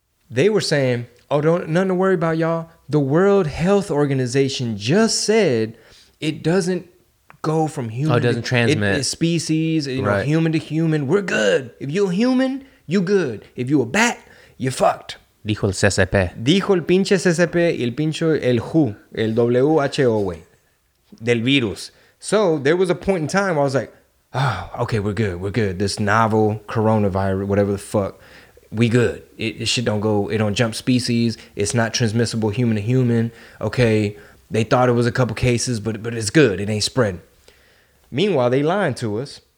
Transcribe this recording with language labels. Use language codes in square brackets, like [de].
[en] They were saying, oh, nothing to worry about, y'all. The World Health Organization just said it doesn't go from human. Oh, it doesn't transmit. It is species, you know, right. Human to human. We're good. If you're human, you're good. If you're a bat, you're fucked. [es] Dijo el CCP. Dijo el pinche CCP y el pinche el WHO, el WHO, güey. Del virus. [en] So there was a point in time where I was like, oh, okay, we're good. We're good. This novel coronavirus, whatever the fuck, we good. It shit don't go, it don't jump species. It's not transmissible human to human. Okay. They thought it was a couple cases, but it's good. It ain't spreading. Meanwhile, they lying to us.